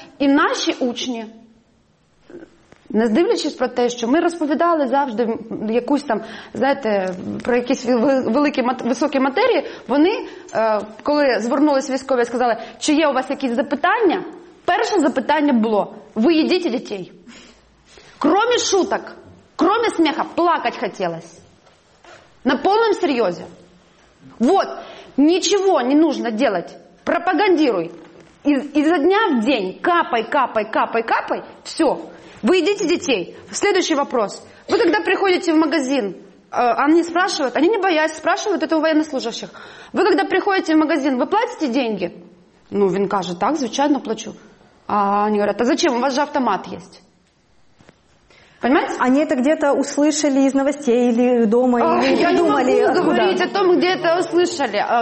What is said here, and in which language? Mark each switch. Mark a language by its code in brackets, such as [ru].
[uk] І наші учні, не дивлячись про те, що ми розповідали завжди якусь там, знаєте, про якісь великі високі матерії, вони, коли звернулися військові, сказали, чи є у вас якісь запитання, перше запитання було, ви їдіть дітей? [ru] Кроме шуток, [uk] кроме сміха, плакати хотілося. На повному серйозі. [ru] Вот, нічого не нужно делать, пропагандируй. [uk] І за дня в день капай, все. [ru] Вы едите детей. Следующий вопрос. Вы когда приходите в магазин, они спрашивают, они не боясь, спрашивают это у военнослужащих. Вы когда приходите в магазин, вы платите деньги? [uk] Ну, він каже, так, звичайно, плачу. [ru] А они говорят, а зачем, у вас же автомат есть. Понимаете? Они это где-то услышали из новостей или дома, или я думали, не могу говорить о том, где это услышали.